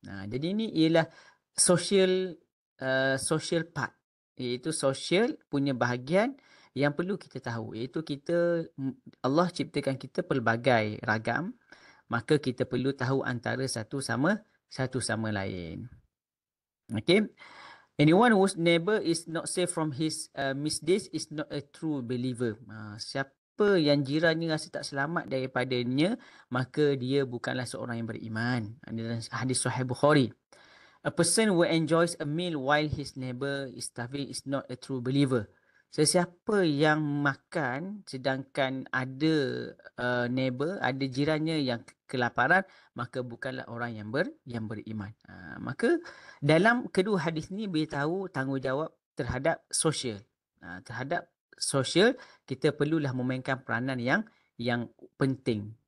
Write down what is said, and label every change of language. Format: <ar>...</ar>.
<ms>Nah, jadi ini ialah</ms> <en>social social part,</en> <ms>iaitu social punya bahagian yang perlu kita tahu, iaitu kita, Allah ciptakan kita pelbagai ragam, maka kita perlu tahu antara satu sama lain.</ms> <en>Okay, anyone whose neighbor is not safe from his misdeeds is not a true believer.</en> <ms>Siapa yang jirannya rasa tak selamat daripadanya, maka dia bukanlah seorang yang beriman. Hadis Sahih Bukhari.</ms> <en>A person who enjoys a meal while his neighbor is starving is not a true believer.</en> <ms>Sesiapa yang makan sedangkan ada neighbor, ada jirannya yang kelaparan, maka bukanlah orang yang beriman. Maka dalam kedua hadis ni beritahu tanggungjawab terhadap sosial. Terhadap sosial, kita perlulah memainkan peranan yang penting.</ms>